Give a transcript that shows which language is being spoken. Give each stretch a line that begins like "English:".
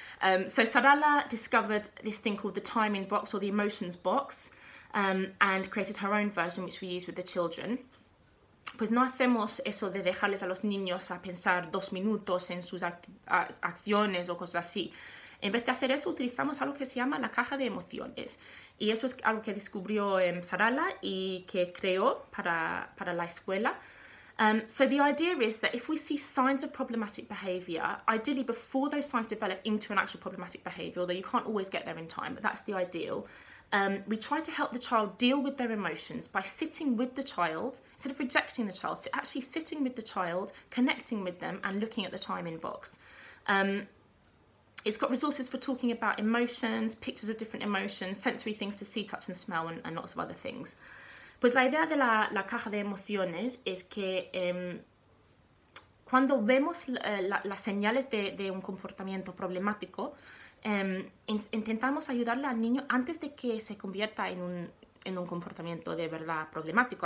English: So Sarala discovered this thing called the timing box or the emotions box. And created her own version, which we use with the children.
Spanish: Pues no hacemos eso de dejarles a los niños a pensar 2 minutos en sus acciones o cosas así. En vez de hacer eso, utilizamos algo que se llama la caja de emociones. Y eso es algo que descubrió Sarala y que creó para la escuela.
English: So the idea is that if we see signs of problematic behavior, ideally before those signs develop into an actual problematic behavior, although you can't always get there in time, but that's the ideal, we try to help the child deal with their emotions by sitting with the child, instead of rejecting the child, actually sitting with the child, connecting with them and looking at the timing box. It's got resources for talking about emotions, pictures of different emotions, sensory things to see, touch and smell and lots of other things.
Spanish: Pues la idea de la caja de emociones es que cuando vemos las señales de un comportamiento problemático, intentamos ayudarle al niño antes de que se convierta en un comportamiento de verdad problemático.